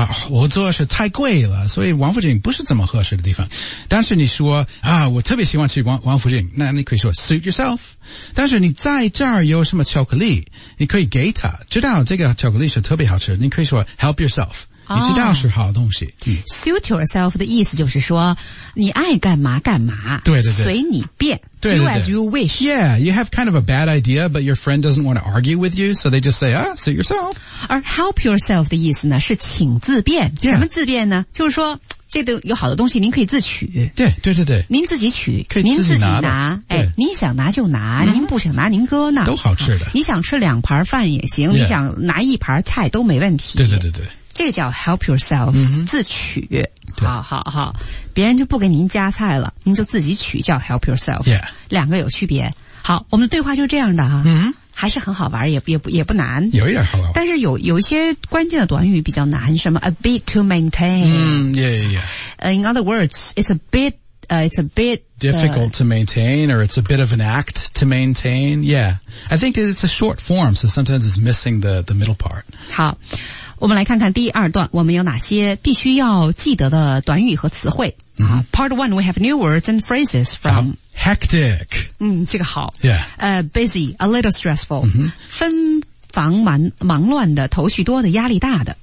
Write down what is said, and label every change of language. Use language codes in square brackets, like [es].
[zh] 我做的是太贵了所以王府井不是这么合适的地方但是你说啊，我特别喜欢去 王府井那你可以说 [en] suit yourself [zh] 但是你在这儿有什么巧克力你可以给他知道这个巧克力是特别好吃你可以说 [en] help yourself [zh] 你知道是好东西、 [en] suit yourself [zh] 的意思就是说你爱干嘛干嘛对对对随你便对对对 [en] Do as you wish. Yeah, you have kind of a bad idea, but your friend doesn't want to argue with you, so they just say, ah, suit yourself. [zh] 而 help yourself 的意思呢是请自便、 [en] yeah. [zh] 什么自便呢就是说这个有好的东西您可以自取。对对对对。您自己取。可以自己拿。您自己拿。您想拿就拿、您不想拿您搁那。都好吃的。你想吃两盘饭也行、你想拿一盘菜都没问题。对对对对。这个叫 [en] help yourself,、 [zh] 自取。好好好。别人就不给您加菜了您就自己取叫 [en] help yourself、 yeah. [zh] 两个有区别好我们的对话就这样的哈、还是很好玩也不难有一点好玩但是有一些关键的短语比较难什么 [en] a bit to maintain、in other words it's a bit difficult to maintain or it's a bit of an act to maintain I think it's a short form so sometimes it's missing the middle part [zh] 好我们来看看第二段我们有哪些必须要记得的短语和词汇。 [en] Part one, we have new words and phrases from hectic. [zh] 这个好。 [en] Yeah. Busy, a little stressful. [zh] 纷繁忙乱的头绪多的压力大的。